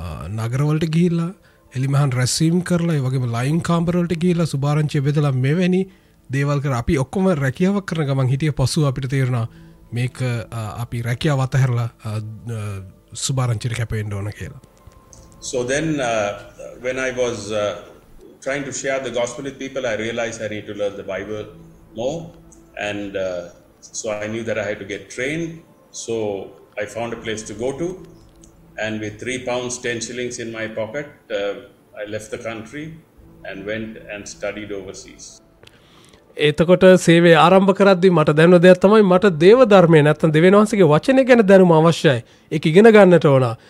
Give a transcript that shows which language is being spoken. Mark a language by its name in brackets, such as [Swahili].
[Sinhala] නගරවලට ගිහිල්ලා එලි මහන් රැස්වීම් කරලා ඒ වගේම ලයින් කාම්බරවලට ගිහිල්ලා සුභාරංචිය බෙදලා මෙවැනි දේවල් කර අපි ඔක්කොම රැකියාවක් කරන ගමන් හිටිය පසුව අපිට තේරුණා මේක අපි රැකියාව අතහැරලා සුභාරංචියට කැපෙන්න ඕන කියලා. [English] So then when I was trying to share the gospel with people, I realized I need to learn the Bible more. And so I knew that I had to get trained. So I found a place to go to, and with £3.10 in my pocket, I left the country and went and studied overseas. [Sinhala] එතකොට සේවය ආරම්භ කරද්දී මට දැනුන දෙයක් තමයි මට දේව ධර්මය නැත්නම් දෙවෙනවහන්සේගේ වචනය ගැන දැනුම අවශ්‍යයි. ඒක ඉගෙන ගන්නට ඕන.